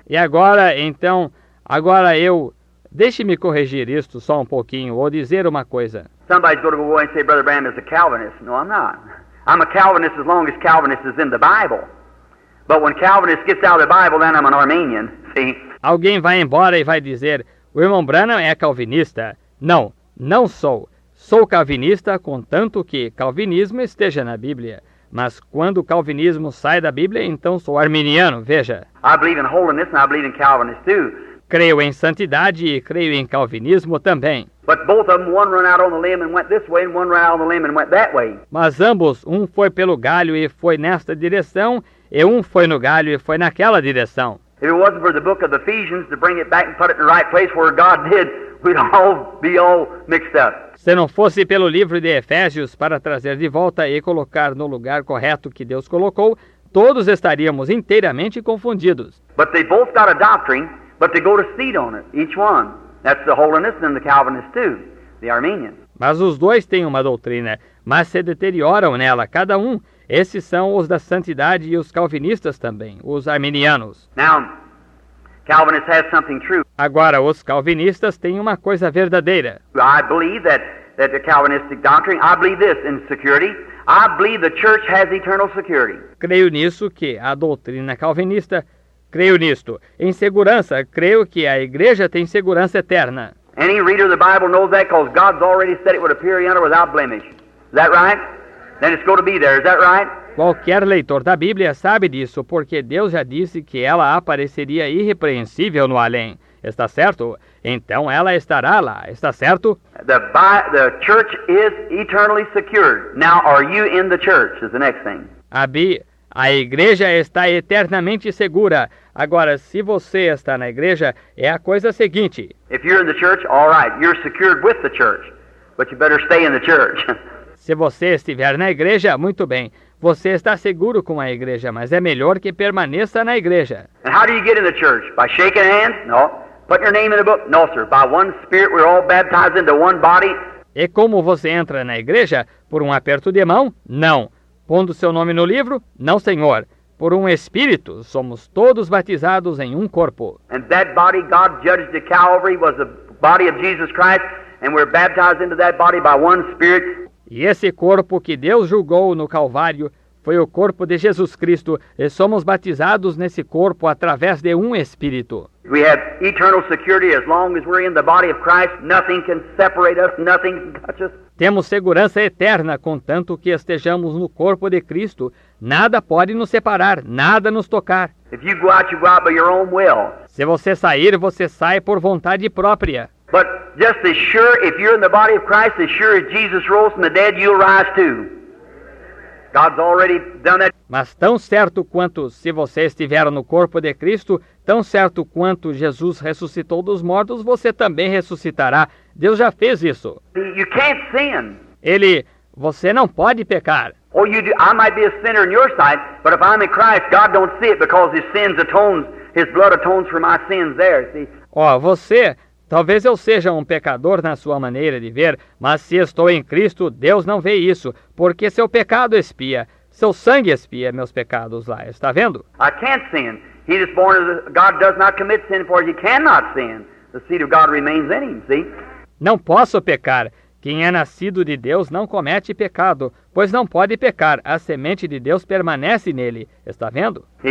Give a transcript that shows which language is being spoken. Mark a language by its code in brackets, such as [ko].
[pt] E agora, então, agora eu, deixe-me corrigir isto só um pouquinho, ou dizer uma coisa. [en] Somebody's going to go and say Brother Branham is a Calvinist. No, I'm not. I'm a Calvinist as long as Calvinist is in the Bible. But when Calvinist gets out of the Bible, then I'm an Arminian, see? [pt] Alguém vai embora e vai dizer, o irmão Branham é calvinista. Não, não sou. Sou calvinista, contanto que calvinismo esteja na Bíblia. Mas quando o calvinismo sai da Bíblia, então sou arminiano, veja. [en] I believe in holiness and I believe in Calvinism too. [pt] Creio em santidade e creio em calvinismo também. [en] But both of them, one ran out on the limb and went this way and one ran out on the limb and went that way. [pt] Mas ambos, um foi pelo galho e foi nesta direção e um foi no galho e foi naquela direção. [en] If it wasn't for the book of Ephesians to bring it back and put it in the right place where God did, we'd all be all mixed up. [pt] Se não fosse pelo livro de Efésios para trazer de volta e colocar no lugar correto que Deus colocou, todos estaríamos inteiramente confundidos. [en] But they both got a doctrine, but they go to seed on it, each one. That's the Holiness and the Calvinist too, the Arminian. [pt] Mas os dois têm uma doutrina, mas se deterioram nela, cada um. Esses são os da santidade e os calvinistas também, os arminianos. [en] Now, Calvinists have something true. [pt] Agora, os calvinistas têm uma coisa verdadeira. [en] I believe that the Calvinistic doctrine, I believe this in security. I believe the church has eternal security. [pt] Creio nisso que a doutrina calvinista, creio nisto. Em segurança, creio que a igreja tem segurança eterna. [en] Any reader of the Bible knows that because God's already said it would appear in her without blemish. Is that right? Then it's going to be there. Is that right? [pt] Qualquer leitor da Bíblia sabe disso, porque Deus já disse que ela apareceria irrepreensível no além. Está certo? Então ela estará lá. Está certo? [en] The church is eternally secured. Now, are you in the church? Is the next thing. [pt] A igreja está eternamente segura. Agora, se você está na igreja, é a coisa seguinte. [en] If you're in the church, all right, you're secured with the church. But you better stay in the church. [pt] Se você estiver na igreja, muito bem. Você está seguro com a igreja, mas é melhor que permaneça na igreja. [en] And how do you get in the church? By shaking hands? No. Put your name in the book? No, sir. By one spirit we're all baptized into one body. [pt] E como você entra na igreja? Por um aperto de mão? Não. Pondo seu nome no livro? Não, senhor. Por um espírito, somos todos batizados em um corpo. [en] And that body God judged at Calvary was the body of Jesus Christ, and we're baptized into that body by one spirit. [pt] E esse corpo que Deus julgou no Calvário foi o corpo de Jesus Cristo, e somos batizados nesse corpo através de um espírito. [en] We have eternal security as long as we're in the body of Christ. Nothing can separate us. Nothing can touch us. [pt] Temos segurança eterna, contanto que estejamos no corpo de Cristo. Nada pode nos separar, nada nos tocar. [en] If you go out, you go out by your own will. [pt] Se você sair, você sai por vontade própria. [en] But just as sure, if you're in the body of Christ, as sure as Jesus rose from the dead, you'll rise too. God's already done that. [pt] Mas tão certo quanto se você estiver no corpo de Cristo, tão certo quanto Jesus ressuscitou dos mortos, você também ressuscitará. Deus já fez isso. [en] You can't sin. [pt] Ele, você não pode pecar. [en] Or you do, I might be a sinner in your sight, but if I'm in Christ, God don't see it because his sins atones, his blood atones for my sins there. See? [pt] Você, talvez eu seja um pecador na sua maneira de ver, mas se estou em Cristo, Deus não vê isso, porque seu pecado expia, seu sangue expia meus pecados lá, está vendo? [en] I can't sin. He is born as God does not commit sin, for he cannot sin. The seed of God remains in him, see? [pt] Não posso pecar. Quem é nascido de Deus não comete pecado, pois não pode pecar. A semente de Deus permanece nele. Está vendo?